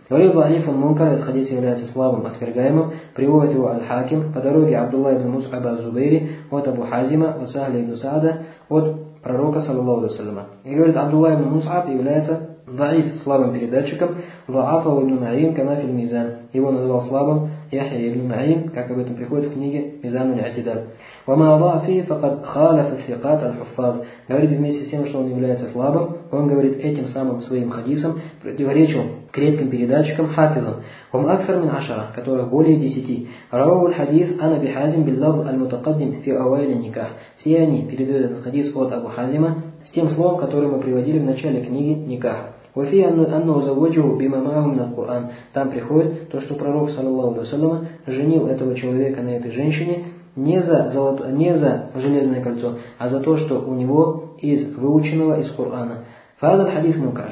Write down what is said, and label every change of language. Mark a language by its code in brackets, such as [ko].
[ru] Говорил Ваниф ан-Мункар, этот хадис является слабым, отвергаемым, приводит его аль-Хаким по дороге Абдулла ибн Мус'аб аз-Зубейри от Абу Хазима, от Сахля ибн Саада, от пророка, саллаллаху алейхи ва саллям. И говорит, Абдулла ибн Мус'аб является [ar] ضعيف [ru] слабым передатчиком, [ar] ضعفه ابن معين كما في الميزان. [ru] Его назвал слабым Яхья ибн Маин, как об этом приходит в книге Мизану аль-Итидал. [ar] وما ضاع فيه فقد خالف الثقات الحفاظ. [ru] Говорит, вместе с тем, что он является слабым, он говорит этим самым своим хадисом противоречил крепким передатчикам хафизам. [ar] هم اكثر من 10, [ru] которых более 10. [ar] رواه الحديث عن ابي حازم باللفظ المتقدم في اوائل النكاح. [ru] Все они передают этот хадис от Абу Хазима с тем словом, которое мы приводили в начале книги Никаха. [ar] «Вафи анну заводжу бимамаху мин аль-Куран». [ru] Там приходит то, что пророк, саллаллаху алейхи ва саллям, женил этого человека на этой женщине не за золото, не за железное кольцо, а за то, что у него из выученного из Корана. [ar] Фаза хадис мункар.